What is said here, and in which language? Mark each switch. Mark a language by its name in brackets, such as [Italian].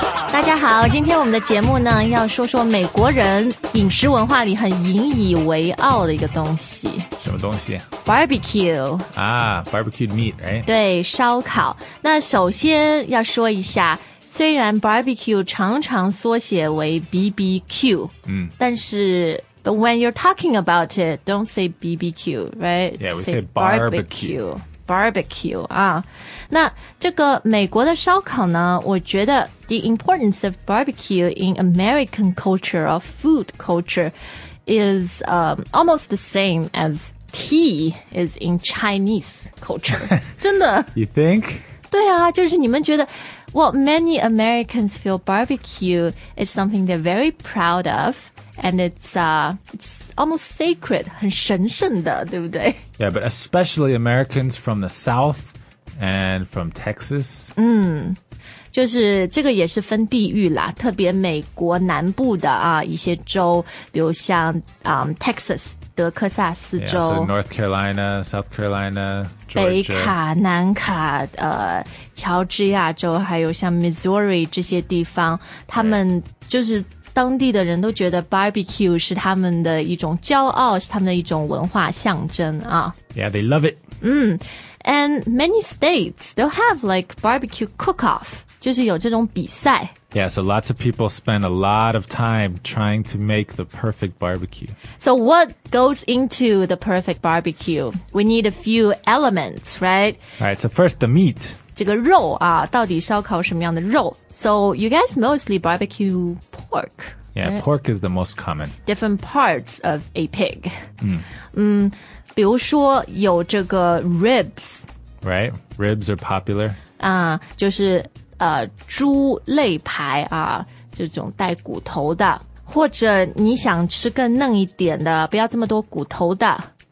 [Chinese] 大家好，今天我们的节目呢，要说说美国人饮食文化里很引以为傲的一个东西。什么东西？ [English] Barbecue 啊 ，barbecued meat， 哎、right? ， [Chinese] 对，烧烤。那首先要说一下，虽然 barbecue 常常缩写为 BBQ，嗯， [English] 但是 but when you're talking about it， don't say BBQ， right？ Yeah， we say barbecue， barbecue 啊。 [Chinese] 那这个美国的烧烤呢，我觉得 [English] the importance of barbecue in American culture or food culture is almost the same as tea is in Chinese culture. [Chinese] 真的 [English] You think? [Chinese] 对啊，就是你们觉得 [English] Well, many Americans feel barbecue is something they're very proud of, and it's almost sacred, [Chinese] 很神圣的，对不对？ [English] Yeah, but especially Americans from the South and from Texas. [Chinese] 嗯，就是这个也是分地域啦，特别美国南部的啊一些州，比如像Texas德克萨斯州 [English] yeah, so North Carolina, South Carolina, Georgia [Chinese] 北卡、南卡、乔治亚州还有像 Missouri 这些地方他们就是当地的人都觉得 barbecue 是他们的一种骄傲是他们的一种文化象征啊 [English] Yeah, they love it And many states they'll have like barbecue cook-off [Chinese] 就是有这种比赛 [English] Yeah, so lots of people spend a lot of time trying to make the perfect barbecue So what goes into the perfect barbecue? We need a few elements, right? Alright, so first the meat [Chinese] 这个肉啊到底烧烤什么样的肉 [English] So you guys mostly barbecue pork Yeah,、 right? pork is the most common Different parts of a pig 嗯 [Chinese] 比如说有这个 ribs [English] Right, ribs are popular [Chinese] 啊、就是猪肋排啊这种带骨头的或者你想吃更嫩一点的不要这么多骨头的、